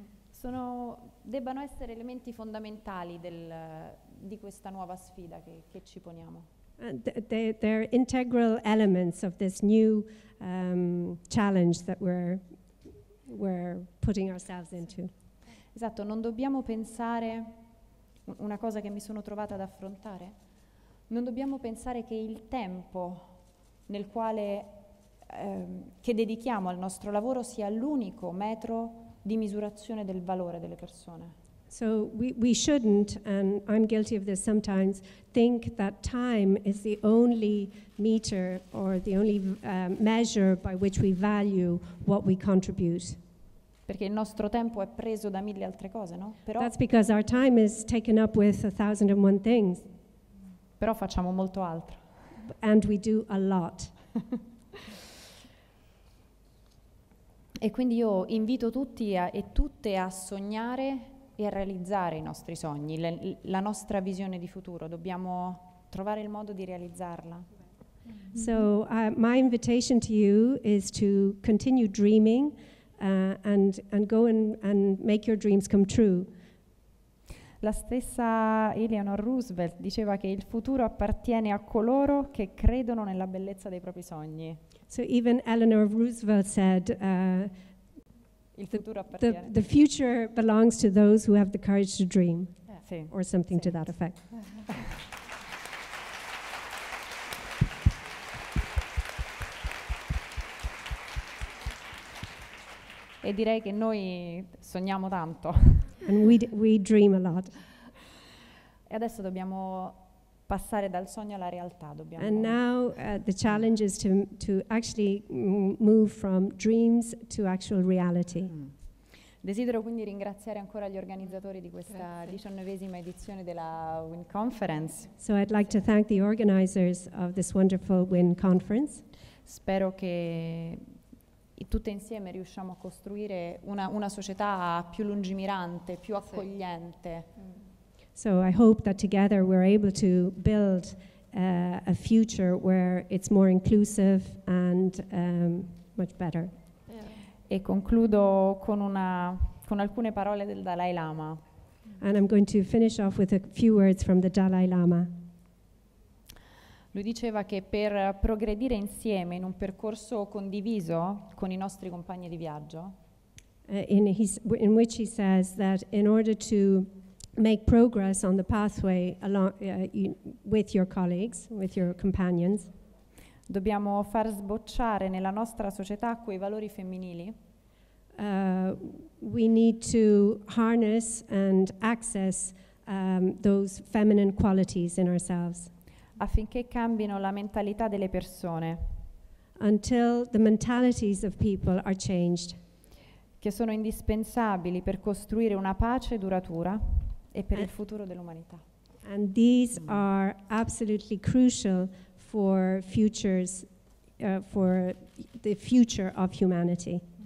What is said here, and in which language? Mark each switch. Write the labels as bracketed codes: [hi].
[it] Sono, debbano essere elementi fondamentali di questa nuova sfida che ci poniamo. [en] They're integral elements of this new challenge that we're putting ourselves into. [it] Esatto, non dobbiamo pensare, una cosa che mi sono trovata ad affrontare, non dobbiamo pensare che il tempo nel quale che dedichiamo al nostro lavoro sia l'unico metro di misurazione del valore delle persone. [en] So we shouldn't, and I'm guilty of this sometimes, think that time is the only meter or the only measure by which we value what we contribute. [it] Perché il nostro tempo è preso da mille altre cose, no? Però [en] that's because our time is taken up with 1001 things. [it] Però facciamo molto altro. [en] And we do a lot. [it] E quindi io invito tutti e tutte a sognare e a realizzare i nostri sogni, la nostra visione di futuro. Dobbiamo trovare il modo di realizzarla. [en] So my invitation to you is to continue dreaming and go and make your dreams come true. [it] La stessa Eleanor Roosevelt diceva che il futuro appartiene a coloro che credono nella bellezza dei propri sogni. [en] So even Eleanor Roosevelt said the future belongs to those who have the courage to dream, [it] sì, [en] or something [it] sì, [en] to that effect. [it] E direi che noi sogniamo tanto. [en] And we dream a lot. [it] E adesso dobbiamo passare dal sogno alla realtà. Dobbiamo. [en] And now the challenge is to actually move from dreams to actual reality. Mm. [it] Desidero quindi ringraziare ancora gli organizzatori di questa 19ª edizione della WIN Conference. [en] So I'd like to thank the organizers of this wonderful WIN Conference. [it] Spero che tutte insieme riusciamo a costruire una società più lungimirante, più accogliente. [en] So I hope that together we're able to build a future where it's more inclusive and much better. [it] E concludo con alcune parole del Dalai Lama. [en] And I'm going to finish off with a few words from the Dalai Lama. [it] Lui diceva che per progredire insieme in un percorso condiviso con i nostri compagni di viaggio, [en] in which he says that in order to make progress on the pathway along, with your colleagues, with your companions, [it] dobbiamo far sbocciare nella nostra società quei valori femminili. [en] We need to harness and access those feminine qualities in ourselves. [it] Affinché cambino la mentalità delle persone. [en] Until the mentalities of people are changed. [it] Che sono indispensabili per costruire una pace duratura e per il futuro dell'umanità. [en] And these are absolutely crucial for futures, for the future of humanity.